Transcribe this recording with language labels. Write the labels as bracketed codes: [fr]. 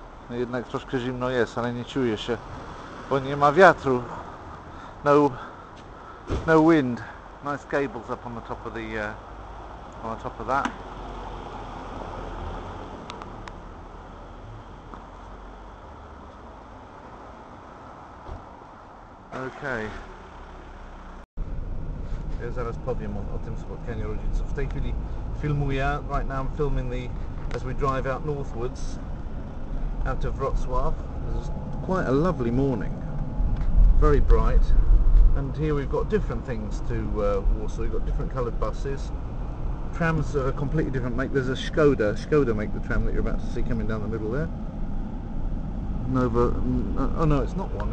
[pl] No jednak troszkę zimno jest, ale nie czuję się. Bo nie ma wiatru. [en] No wind. Nice gables up on the top of the on the top of that. Okay. [pl] Ja zaraz powiem o tym spotkaniu rodziców. W tej chwili filmuję. [en] Right now I'm filming the as we drive out northwards out of Wrocław. It's quite a lovely morning. Very bright. And here we've got different things to Warsaw. We've got different coloured buses. Trams are a completely different make. There's a Skoda. Skoda make the tram that you're about to see coming down the middle there. Nova. Oh no, it's not one.